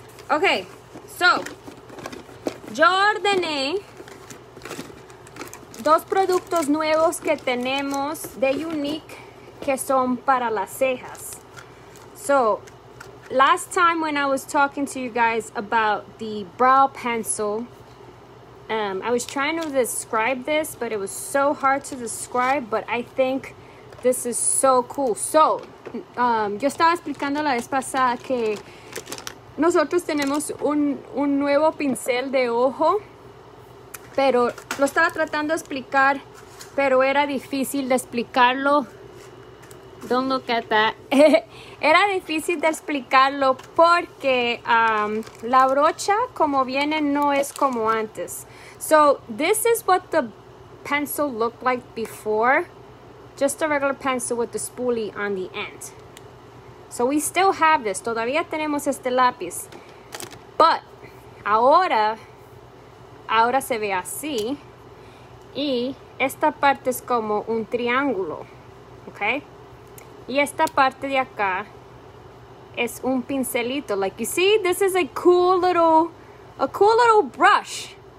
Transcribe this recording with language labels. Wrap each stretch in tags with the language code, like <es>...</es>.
<es>Okay, so yo ordené dos productos nuevos que tenemos de Unique que son para las cejas.</es> <en>So, last time when I was talking to you guys about the brow pencil, I was trying to describe this, but it was so hard to describe, but I think this is so cool.</en> <es>So, yo estaba explicando la vez pasada que nosotros tenemos un nuevo pincel de ojo. Pero lo estaba tratando de explicar, pero era difícil de explicarlo.</es> <en>Don't look at that.</en> <es>Era difícil de explicarlo porque la brocha como viene no es como antes.</es> <en>So this is what the pencil looked like before. Just a regular pencil with the spoolie on the end. So we still have this.</en> <es>Todavía tenemos este lápiz.</es> <en>But ahora...</en> <es>ahora se ve así, y esta parte es como un triángulo, ¿ok? Y esta parte de acá es un pincelito.</es> <en>Like, you see, this is a cool little brush.</en>